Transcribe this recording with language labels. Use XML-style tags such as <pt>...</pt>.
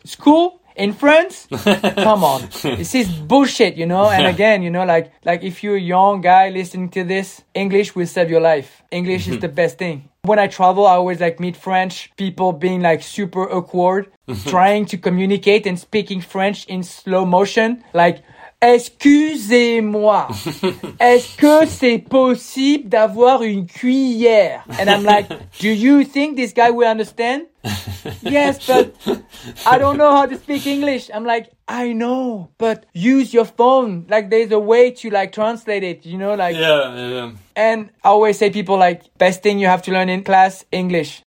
<en>School? In France? Come on. This is bullshit, you know? And again, you know, like if you're a young guy listening to this, English will save your life. English is the best thing. When I travel, I always like meet French people being like super awkward, trying to communicate and speaking French in slow motion.</en> <fr>Like, excusez-moi, est-ce que c'est possible d'avoir une cuillère?</fr> <en>And I'm like, do you think this guy will understand? Yes, but I don't know how to speak English. I'm like, I know, but use your phone. Like, there's a way to like translate it, you know? Like, yeah. And I always say people like, best thing you have to learn in class, English.</en>